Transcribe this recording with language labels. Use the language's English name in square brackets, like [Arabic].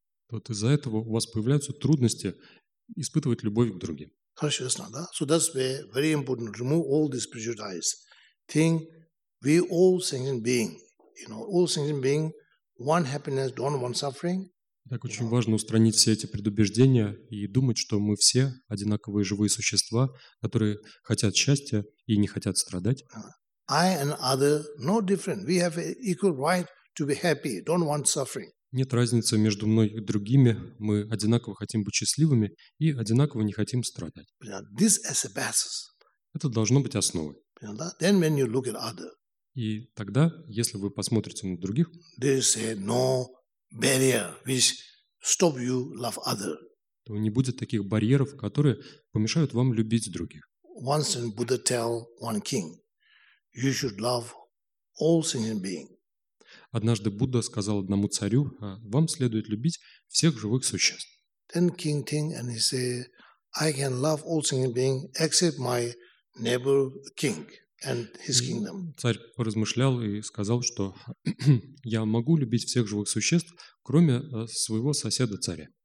[Russian] Вот из-за этого у вас появляются трудности испытывать любовь к другим. Хорошо, ясно, да? [English] So that's very important. Remove all these prejudices. Think we all sentient being, you know, all sentient being want happiness, don't want suffering. [Russian] Так очень важно устранить все эти предубеждения и думать, что мы все одинаковые живые существа, которые хотят счастья и не хотят страдать. [English] I and other no different. We have equal right to be happy, don't want suffering. [Russian] Нет разницы между мной и другими. Мы одинаково хотим быть счастливыми и одинаково не хотим страдать. [English] This is a basis. [Russian] Это должно быть основой. [English] Then when you look at other, [Russian] и тогда, если вы посмотрите на других, [English] there is no barrier which stop you love other. [Russian] То не будет таких барьеров, которые помешают вам любить других. [English] Once in Buddha tell one king, you should love all sentient beings. [Russian] Однажды Будда сказал одному царю: «Вам следует любить всех живых существ». [English] Then king think and he say, I can love all sentient beings except my neighbor king and his kingdom. [Russian] Царь поразмышлял и сказал, что я могу любить всех живых существ, кроме своего соседа царя.